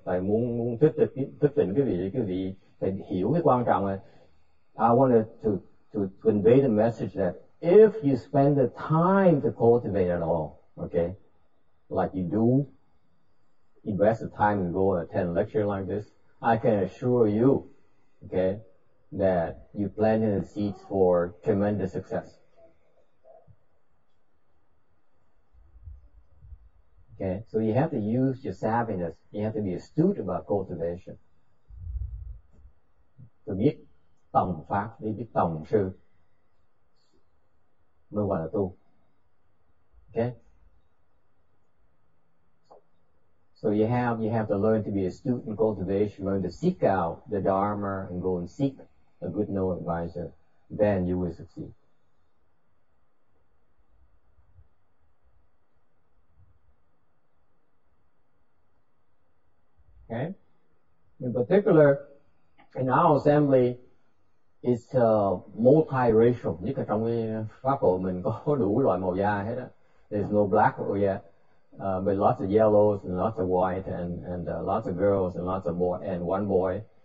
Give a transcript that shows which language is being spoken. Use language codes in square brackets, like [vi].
[vi] Tại muốn thức tỉnh quý vị phải hiểu cái quan trọng này. [en] I wanted to convey the message that if you spend the time to cultivate at all, okay, like you do, invest the time and go and attend a lecture like this, I can assure you, okay, that you planted the seeds for tremendous success. Okay, so you have to use your savviness. You have to be astute about cultivation. [vi] To biết tầm pháp, để biết tầm sư, mới gọi là tu. [en] Okay. So you have to learn to be astute in cultivation, learn to seek out the Dharma and go and seek a good know advisor, then you will succeed. Okay? In particular, in our assembly, it's multiracial. [vi] Như cả trong cái pháp hội mình có đủ loại màu da hết á. [en] There's no black yet. But lots of yellows and lots of white and lots of girls and lots of boy and one boy.